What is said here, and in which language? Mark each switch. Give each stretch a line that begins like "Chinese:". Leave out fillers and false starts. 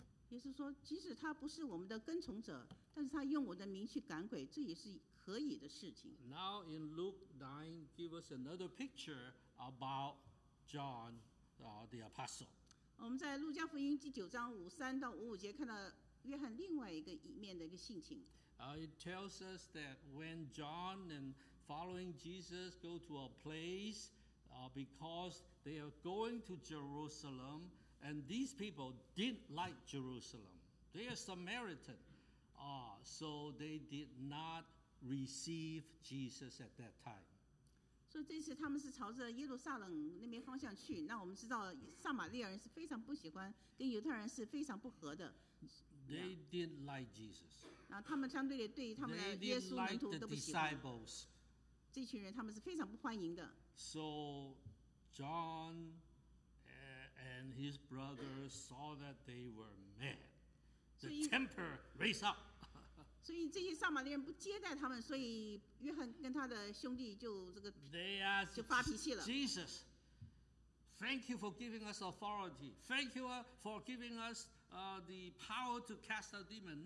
Chinese: 耶稣说，即使他不是我们的跟从者，但是他用我的名去赶鬼，这也是可以的事情。
English: Now in Luke 9, give us another picture. About John, the apostle.
Chinese: 我们在路加福音第九章五三到五五节看到约翰另外一个一面的一个性情。
English: It tells us that when John and following Jesus go to a place, because they are going to Jerusalem, and these people didn't like Jerusalem. They are Samaritan, so they did not receive Jesus at that time.
Chinese: 所以这次他们是朝着耶路撒冷那边方向去。那我们知道撒玛利亚人是非常不喜欢，跟犹太人是非常不合的。
English: They didn't like Jesus.
Chinese: 那他们相对的对他们的耶稣门徒都不喜欢。这群人他们是非常不欢迎的。
English: So John and his brother saw that they were mad. The temper raised up.
Chinese: 所以这些撒玛利亚人不接待他们，所以约翰跟他的兄弟就这个
English: they are
Chinese: 就发脾气了。
English: Jesus, thank you for giving us authority. Thank you for giving us the power to cast out demons.